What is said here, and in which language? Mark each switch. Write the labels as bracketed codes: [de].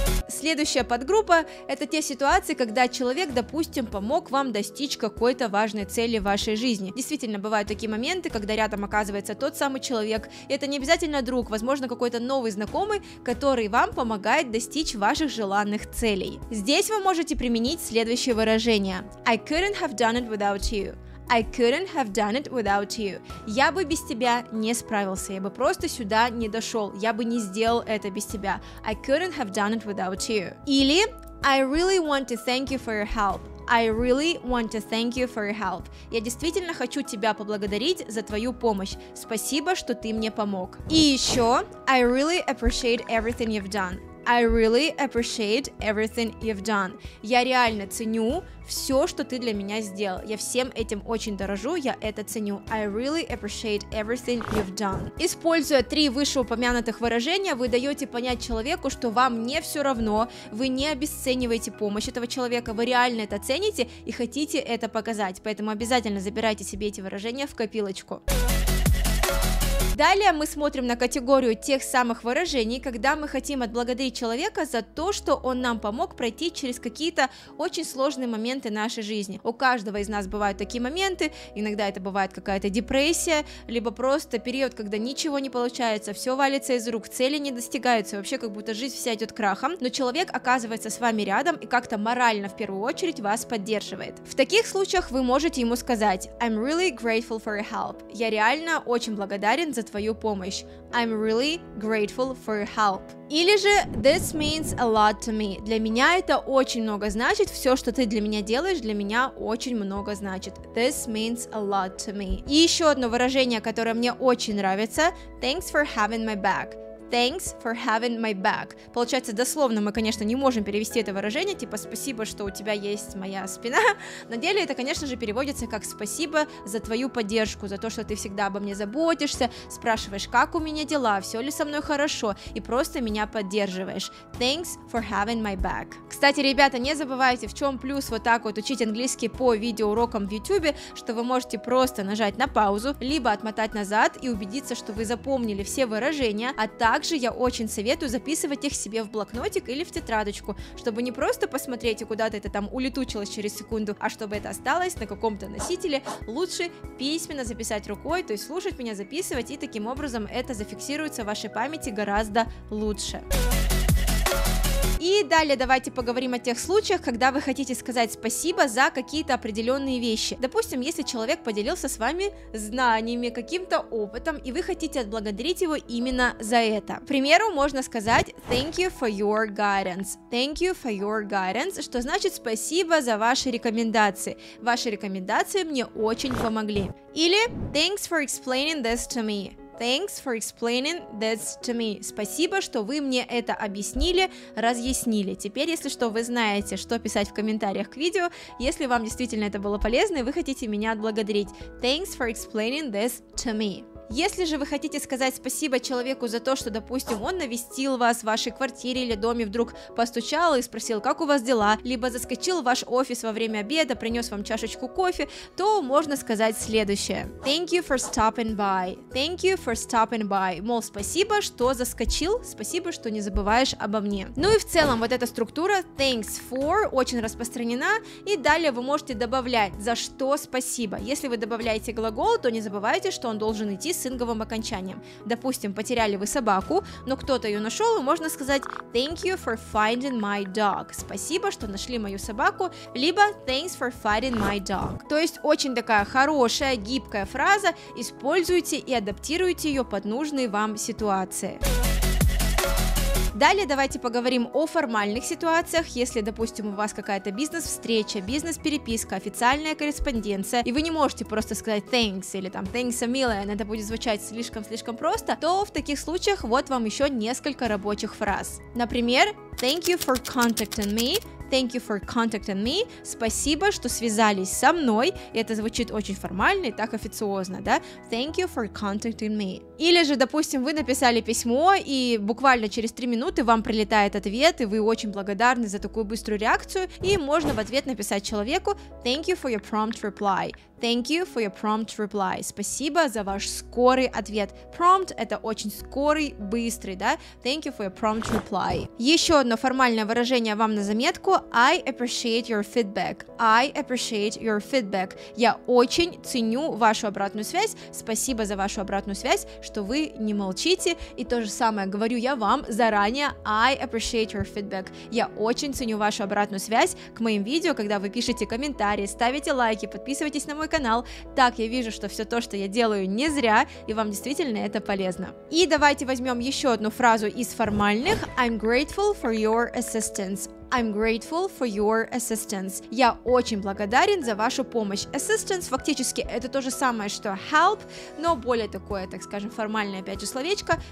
[ru] Следующая подгруппа – это те ситуации, когда человек, допустим, помог вам достичь какой-то важной цели в вашей жизни. Действительно, бывают такие моменты, когда рядом оказывается тот самый человек, и это не обязательно друг, возможно, какой-то новый знакомый, который вам помогает достичь ваших желанных целей. Здесь вы можете применить следующее выражение. [en] I couldn't have done it without you. I couldn't have done it without you. [ru] Я бы без тебя не справился, я бы просто сюда не дошел, я бы не сделал это без тебя. [en] I couldn't have done it without you. [ru] Или [en] I really want to thank you for your help. I really want to thank you for your help. [ru] Я действительно хочу тебя поблагодарить за твою помощь. Спасибо, что ты мне помог. И еще [en] I really appreciate everything you've done. I really appreciate everything you've done. [ru] Я реально ценю все, что ты для меня сделал. Я всем этим очень дорожу, я это ценю. [en] I really appreciate everything you've done. [ru] Используя три вышеупомянутых выражения, вы даете понять человеку, что вам не все равно, вы не обесцениваете помощь этого человека, вы реально это цените и хотите это показать. Поэтому обязательно забирайте себе эти выражения в копилочку. Далее мы смотрим на категорию тех самых выражений, когда мы хотим отблагодарить человека за то, что он нам помог пройти через какие-то очень сложные моменты нашей жизни. У каждого из нас бывают такие моменты, иногда это бывает какая-то депрессия, либо просто период, когда ничего не получается, все валится из рук, цели не достигаются, вообще как будто жизнь вся идет крахом, но человек оказывается с вами рядом и как-то морально в первую очередь вас поддерживает. В таких случаях вы можете ему сказать [en] I'm really grateful for your help. [ru] Я реально очень благодарен за твою помощь. [en] I'm really grateful for your help. [ru] Или же [en] This means a lot to me. [ru] Для меня это очень много значит. Все, что ты для меня делаешь, для меня очень много значит. [en] This means a lot to me. [ru] И еще одно выражение, которое мне очень нравится. [en] Thanks for having my back. Thanks for having my back. [ru] Получается, дословно мы, конечно, не можем перевести это выражение, типа спасибо, что у тебя есть моя спина. На деле это, конечно же, переводится как спасибо за твою поддержку, за то, что ты всегда обо мне заботишься, спрашиваешь, как у меня дела, все ли со мной хорошо, и просто меня поддерживаешь. [en] Thanks for having my back. [ru] Кстати, ребята, не забывайте, в чем плюс вот так вот учить английский по видеоурокам в YouTube, что вы можете просто нажать на паузу, либо отмотать назад и убедиться, что вы запомнили все выражения, а также я очень советую записывать их себе в блокнотик или в тетрадочку, чтобы не просто посмотреть, и куда-то это там улетучилось через секунду, а чтобы это осталось на каком-то носителе, лучше письменно записать рукой, то есть слушать меня, записывать, и таким образом это зафиксируется в вашей памяти гораздо лучше. И далее давайте поговорим о тех случаях, когда вы хотите сказать спасибо за какие-то определенные вещи. Допустим, если человек поделился с вами знаниями, каким-то опытом, и вы хотите отблагодарить его именно за это. К примеру, можно сказать [en] thank you for your guidance. Thank you for your guidance, [ru] что значит спасибо за ваши рекомендации. Ваши рекомендации мне очень помогли. Или [en] thanks for explaining this to me. Thanks for explaining this to me. [ru] Спасибо, что вы мне это объяснили, разъяснили. Теперь, если что, вы знаете, что писать в комментариях к видео, если вам действительно это было полезно и вы хотите меня отблагодарить. [en] Thanks for explaining this to me. [ru] Если же вы хотите сказать спасибо человеку за то, что, допустим, он навестил вас в вашей квартире или доме, вдруг постучал и спросил, как у вас дела, либо заскочил в ваш офис во время обеда, принес вам чашечку кофе, то можно сказать следующее. [en] Thank you for stopping by. Thank you for stopping by. [ru] Мол, спасибо, что заскочил, спасибо, что не забываешь обо мне. Ну и в целом, вот эта структура [en] thanks for [ru] очень распространена, и далее вы можете добавлять за что спасибо. Если вы добавляете глагол, то не забывайте, что он должен идти с инговым окончанием. Допустим, потеряли вы собаку, но кто-то ее нашел, и можно сказать [en] thank you for finding my dog. [ru] Спасибо, что нашли мою собаку, либо [en] thanks for finding my dog. [ru] То есть очень такая хорошая, гибкая фраза, используйте и адаптируйте ее под нужные вам ситуации. Далее давайте поговорим о формальных ситуациях. Если, допустим, у вас какая-то бизнес-встреча, бизнес-переписка, официальная корреспонденция, и вы не можете просто сказать thanks или там [en] thanks a million, [ru] это будет звучать слишком-слишком просто, то в таких случаях вот вам еще несколько рабочих фраз. [en] Например, thank you for contacting me. Thank you for contacting me. [ru] Спасибо, что связались со мной. Это звучит очень формально и так официозно, да? [en] Thank you for contacting me. [ru] Или же, допустим, вы написали письмо, и буквально через 3 минуты вам прилетает ответ, и вы очень благодарны за такую быструю реакцию, и можно в ответ написать человеку [en] thank you for your prompt reply. Thank you for your prompt reply. [ru] Спасибо за ваш скорый ответ. Prompt — это очень скорый, быстрый, да? [en] Thank you for your prompt reply. [ru] Еще одно формальное выражение вам на заметку. [en] I appreciate your feedback. I appreciate your feedback. [ru] Я очень ценю вашу обратную связь. Спасибо за вашу обратную связь, что вы не молчите. И то же самое говорю я вам заранее. [en] I appreciate your feedback. [ru] Я очень ценю вашу обратную связь к моим видео, когда вы пишете комментарии, ставите лайки, подписывайтесь на мой мой канал. Так я вижу, что все то, что я делаю, не зря, и вам действительно это полезно. И давайте возьмем еще одну фразу из формальных. [en] I'm grateful for your assistance. I'm grateful for your assistance. [ru] Я очень благодарен за вашу помощь. Assistance фактически это то же самое, что help, но более такое, так скажем, формальное опять же словечко.